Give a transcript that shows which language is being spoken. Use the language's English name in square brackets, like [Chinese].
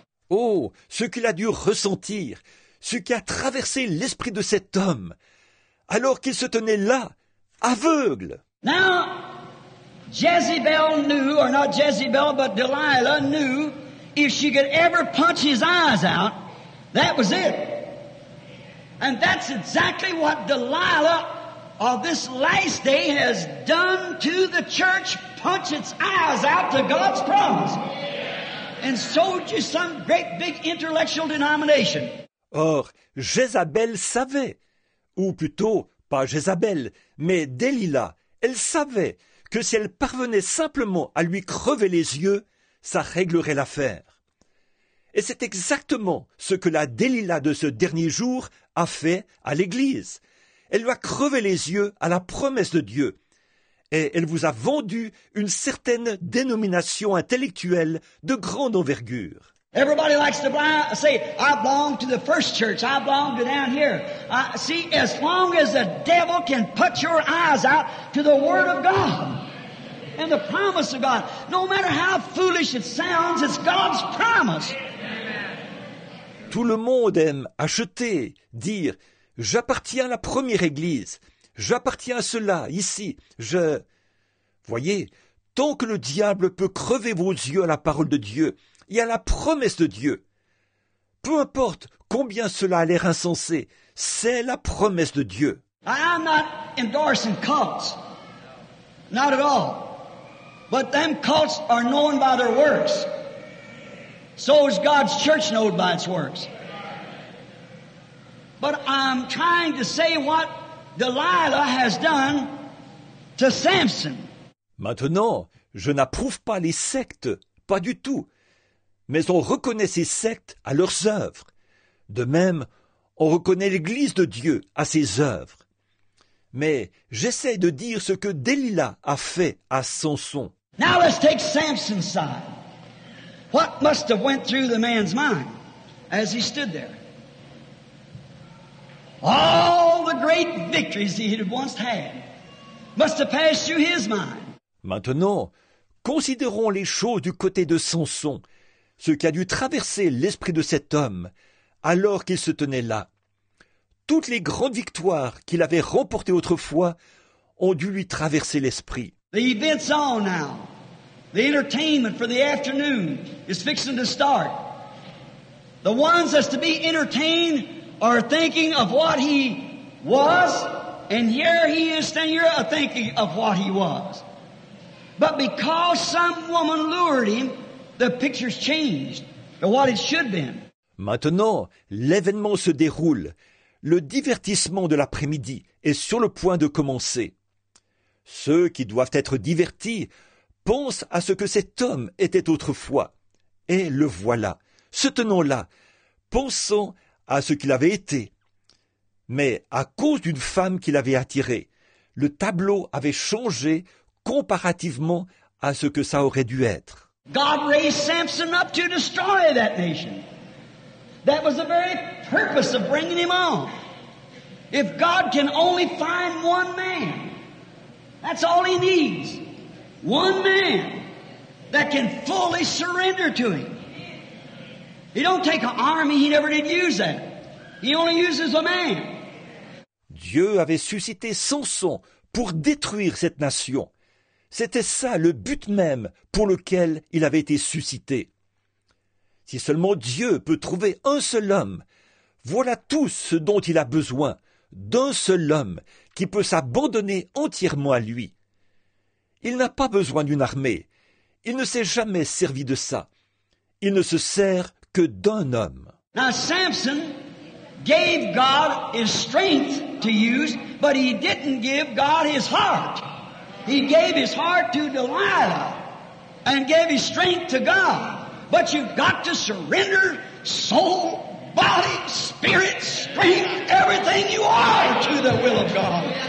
[French] Oh, ce qu'il a dû ressentir, ce qui a traversé l'esprit de cet homme, alors qu'il se tenait là, aveugle. [English] Now, Jezebel knew, or not Jezebel, but Delilah knew, if she could ever punch his eyes out, that was it. And that's exactly what Delilah of this last day has done to the church, punch its eyes out to God's promise, and sold you some great big intellectual denomination. [French] Or, Jezabel savait, ou plutôt, pas Jezabel, mais Delilah, elle savait que si elle parvenait simplement à lui crever les yeux, ça réglerait l'affaire. Et c'est exactement ce que la Delilah de ce dernier jour a fait à l'Église. Elle lui a crevé les yeux à la promesse de Dieu. Et elle vous a vendu une certaine dénomination intellectuelle de grande envergure. [English] Everybody likes to say, I belong to the first church, I belong to down here. See, as long as the devil can put your eyes out to the Word of God and the promise of God, no matter how foolish it sounds, it's God's promise. [French] Tout le monde aime acheter, dire, j'appartiens à la première église, j'appartiens à cela, ici, je... Voyez, tant que le diable peut crever vos yeux à la parole de Dieu et à la promesse de Dieu, peu importe combien cela a l'air insensé, c'est la promesse de Dieu. [English] I'm not endorsing cults. Not at all. But them cults are known by their works. So is God's church known by its works. But I'm trying to say what Delilah has done to Samson. [French] Maintenant, je n'approuve pas les sectes, pas du tout. Mais on reconnaît ces sectes à leurs œuvres. De même, on reconnaît l'Église de Dieu à ses œuvres. Mais j'essaie de dire ce que Delilah a fait à Samson. [English] Now let's take Samson's side. What must have went through the man's mind as he stood there? All the great victories he had once had must have passed through his mind. [French] Maintenant, considérons les choses du côté de Samson, ce qui a dû traverser l'esprit de cet homme alors qu'il se tenait là. Toutes les grandes victoires qu'il avait remportées autrefois ont dû lui traverser l'esprit. [English] The event's on now. The entertainment for the afternoon is fixing to start. The ones that's to be entertained are thinking of what he was, and here he is standing here thinking of what he was. But because some woman lured him, the picture's changed to what it should have been. [French] Maintenant, l'événement se déroule. Le divertissement de l'après-midi est sur le point de commencer. Ceux qui doivent être divertis pensent à ce que cet homme était autrefois. Et le voilà, se tenant là, pensant à ce qu'il avait été. Mais à cause d'une femme qu'il avait attirée, le tableau avait changé comparativement à ce que ça aurait dû être. [English] God raised Samson up to destroy that nation. That was the very purpose of bringing him on. If God can only find one man, that's all he needs. One man that can fully surrender to him. He don't take an army, he never did use that. He only uses a man. [French] Dieu avait suscité Samson pour détruire cette nation. C'était ça le but même pour lequel il avait été suscité. Si seulement Dieu peut trouver un seul homme, voilà tout ce dont il a besoin, d'un seul homme qui peut s'abandonner entièrement à lui. Il n'a pas besoin d'une armée. Il ne s'est jamais servi de ça. Il ne se sert que d'un homme. [English] Now Samson gave God his strength to use, but he didn't give God his heart. He gave his heart to Delilah and gave his strength to God. But you've got to surrender soul, body, spirit, strength, everything you are to the will of God.